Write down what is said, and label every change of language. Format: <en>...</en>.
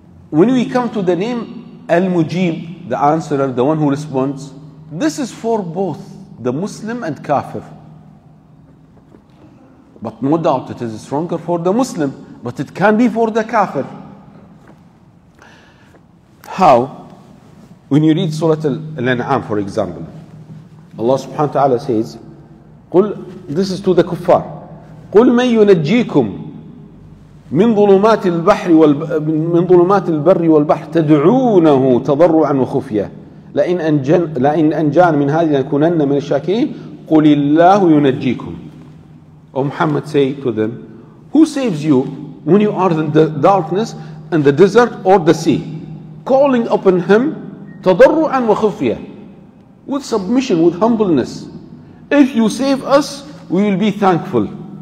<en>When we come to the name Al-Mujib, the answerer, the one who responds, this is for both the Muslim and Kafir. But no doubt it is stronger for the Muslim, but it can be for the Kafir. How? When you read Surah Al-An'am, for example, Allah subhanahu wa ta'ala says,</en> <ar>قل,</ar> <en>this is to the Kuffar,</en> <ar>قل من ينجيكم من ظلمات البحر من ظلمات البر والبحر تدعونه تضرعا وخفيا لئن أنجان من هذه لنكونن من الشاكرين قل الله ينجيكم.</ar> <en>O Muhammad, say to them, who saves you when you are in the darkness in the desert or the sea, calling upon him</en> <ar>تضرعا وخفيا,</ar> <en>with submission, with humbleness. If you save us, we will be thankful.</en>